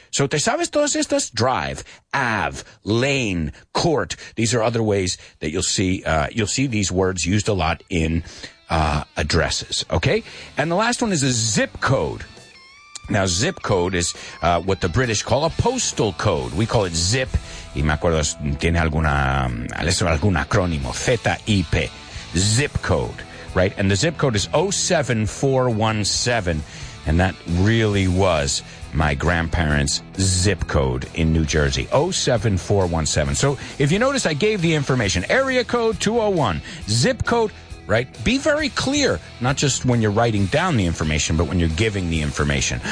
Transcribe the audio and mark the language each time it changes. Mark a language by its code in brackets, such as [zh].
[es] So te sabes todas estas? Drive, Ave, Lane, Court. [en] These are other ways that you'll see these words used a lot in, addresses. Okay. And the last one is a zip code. Now, zip code is what the British call a postal code. We call it ZIP. [es] Y me acuerdo, tiene algún acrónimo, Z-I-P, zip code, right? [en] And the zip code is 07417, and that really was my grandparents' zip code in New Jersey, 07417. So if you notice, I gave the information, area code 201, zip code, right? Be very clear, not just when you're writing down the information, but when you're giving the information.